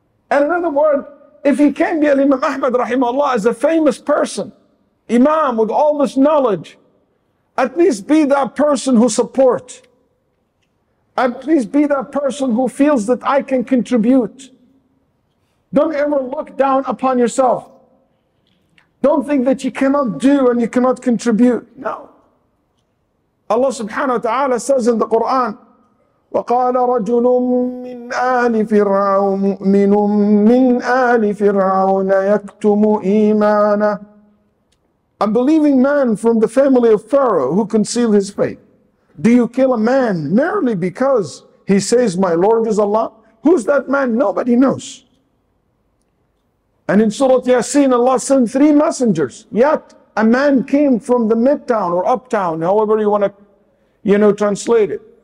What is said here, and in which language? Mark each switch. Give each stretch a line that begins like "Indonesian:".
English: And in other words, if he can't be Imam Ahmad rahimahullah as a famous person, Imam with all this knowledge, at least be that person who support. At least be that person who feels that I can contribute. Don't ever look down upon yourself. Don't think that you cannot do and you cannot contribute. No. Allah subhanahu wa ta'ala says in the Quran,
Arabic: وَقَالَ رَجُلٌ مِّنْ آلِ فِرْعَوْنَ مُؤْمِنٌ مِّنْ آلِ فِرْعَوْنَ يَكْتُمُ إِيمَانَهُ.
English: A believing man from the family of Pharaoh who concealed his faith. Do you kill a man merely because he says, my Lord is Allah? Who's that man? Nobody knows. And in Surah Yasin, Allah sent three messengers. Yet a man came from the midtown or uptown, however you want to, you know, translate it.